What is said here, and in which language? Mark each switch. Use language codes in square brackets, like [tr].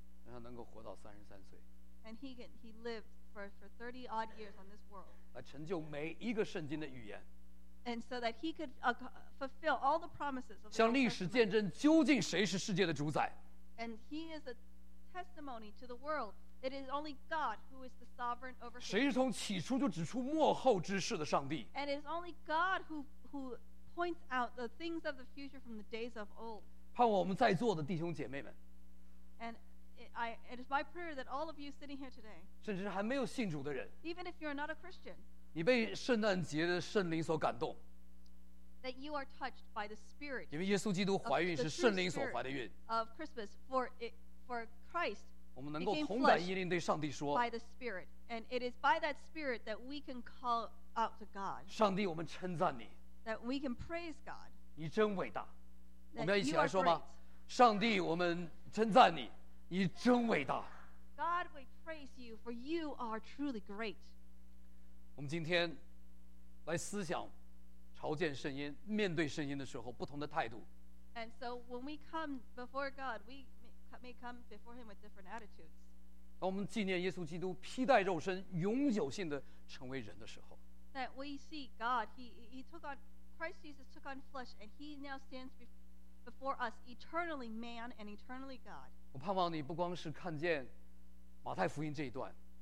[en] And he lived for 30 odd years on this world. And so that he could fulfill all the promises of the world. And he is a testimony to the world. It is only God who is the sovereign over. [zh] 谁是从起初就指出末后之事的上帝 [en] ？And it is only God who points out the things of the future from the days of old. [zh] 盼望我们在座的弟兄姐妹们 [en] ，And it is my prayer that all of you sitting here today， [zh] 甚至还没有信主的人 [en] ，Even if you are not a Christian， [zh] 你被圣诞节的圣灵所感动 [en] ，That you are touched by the Spirit， [zh] 因为耶稣基督怀孕是圣灵所怀的孕 [en] ，Of Christmas for Christ。 [zh] 我们能够同感耶灵对上帝说 [en] by the Spirit, and it is by that Spirit that we can call out to God. [zh] 上帝，我们称赞你。 [en] That we can praise God. [zh] 你真伟大。我们要一起来说吗？ [en] That you are great. [zh] 上帝，我们称赞你，你真伟大。 [en] God, we praise you, for you are truly great. [zh] 我们今天来思想朝见圣婴、面对圣婴的时候不同的态度。 [en] And so when we come before God, we may come before him with different attitudes. [zh] 当我们纪念耶稣基督披戴肉身永久性的成为人的时候 [en] that we see God he took on Christ Jesus took on flesh and he now stands before us eternally man and eternally God. [zh] 我盼望你不光是看见马太福音这一段